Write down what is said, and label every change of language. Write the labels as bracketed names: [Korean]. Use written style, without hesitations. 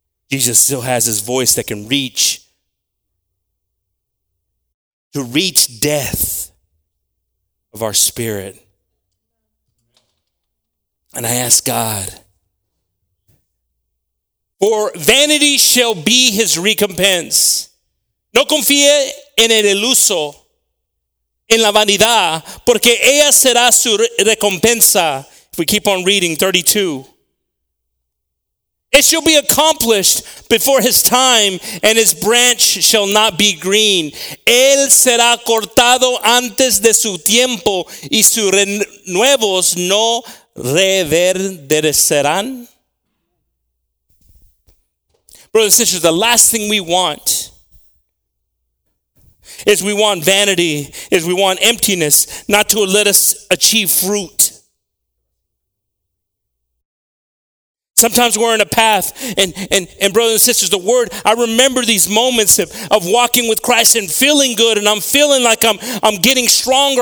[English] Jesus still has his voice that can reach to to reach death of our spirit. And I ask God, for vanity shall be his recompense. [Spanish] No confíe en el iluso, en la vanidad, porque ella será su recompensa. [English] If we keep on reading, 32. It shall be accomplished before his time, and his branch shall not be green. [Spanish] Él será cortado antes de su tiempo, y sus renuevos no reverdecerán. [English] Brothers and sisters, the last thing we want is we want vanity, is we want emptiness, not to let us achieve fruit. Sometimes we're in a path, and brothers and sisters, the word, I remember these moments of walking with Christ and feeling good, and I'm feeling like I'm getting stronger.